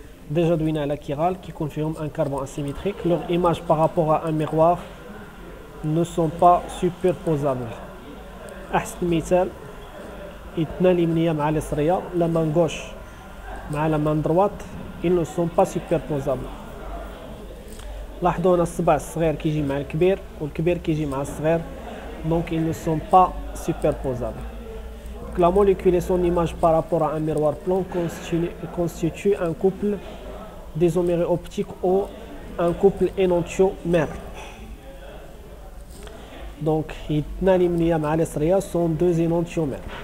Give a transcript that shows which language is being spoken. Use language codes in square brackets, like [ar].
[fr] Déjà deviné la chirale qui confirme un carbone asymétrique. Leur image par rapport à un miroir ne sont pas superposables. [ar] أحسن مثال اثنان اليمنية مع اليسرية [fr] la main gauche [ar] مع [fr] la main droite ils ne sont pas superposables. [ar] لاحظوا هنا الصبع الصغير كيجي مع الكبير والكبير كيجي مع الصغير [fr] donc ils ne sont pas superposables. La molécule et son image par rapport à un miroir plan constituent un couple d'isomères optiques ou un couple énantiomère. Donc, les sont deux énantiomères.